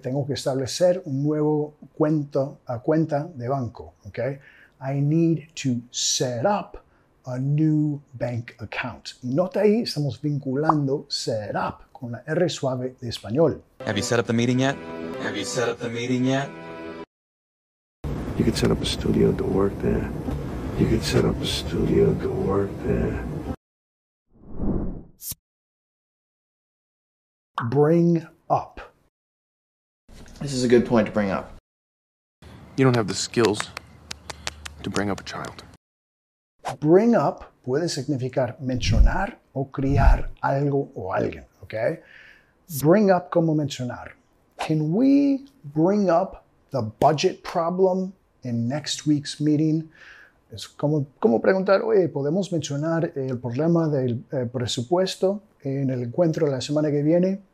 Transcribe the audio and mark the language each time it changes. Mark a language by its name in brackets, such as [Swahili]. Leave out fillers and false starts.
[Spanish] Tengo que establecer un nuevo cuenta de banco, ¿ok? [English] I need to set up a new bank account. [Spanish] Y nota ahí, estamos vinculando set up con la R suave de español. [English] Have you set up the meeting yet? Have you set up the meeting yet? You could set up a studio to work there. You could set up a studio to work there. Bring up. This is a good point to bring up. You don't have the skills to bring up a child. [Spanish] Bring up puede significar mencionar o criar algo o alguien, okay? [English] Bring up [Spanish] como mencionar. [English] Can we bring up the budget problem in next week's meeting? [Spanish] Es como preguntar, oye, ¿podemos mencionar el problema del presupuesto en el encuentro de la semana que viene?